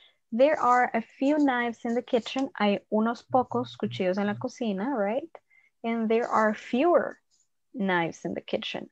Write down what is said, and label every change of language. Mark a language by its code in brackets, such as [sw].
[en] There are a few knives in the kitchen. [es] Hay unos pocos cuchillos en la cocina, [en] right? And there are fewer knives in the kitchen.